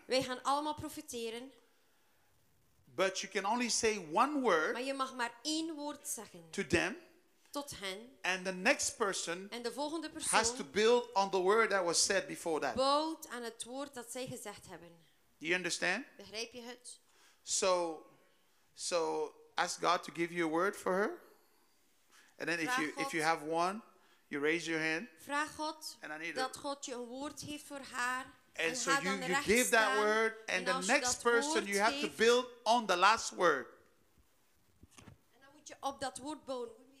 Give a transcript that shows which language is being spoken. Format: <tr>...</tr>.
<nl>Wij gaan allemaal profiteren.</nl> <en>But you can only say one word.</en> <nl>Maar je mag maar één woord zeggen.</nl> <en>To them.</en> <nl>Tot hen.</nl> <en>And the next person.</en> <nl>En de volgende persoon.</nl> <en>Has to build on the word that was said before that.</en> <nl>Bouwt aan het woord dat zij gezegd hebben.</nl> <en>Do you understand?</en> <nl>Begrijp je het?</nl> <en>So ask God to give you a word for her. And then if you have one, you raise your hand.</en> <nl>Vraag God dat God je een woord heeft voor haar.</nl> <en>And so you give that word and the next person you have</en> <nl>heeft,</nl> <en>to build on the last word.</en> <nl>En dan moet je op dat woord bouwen.</nl>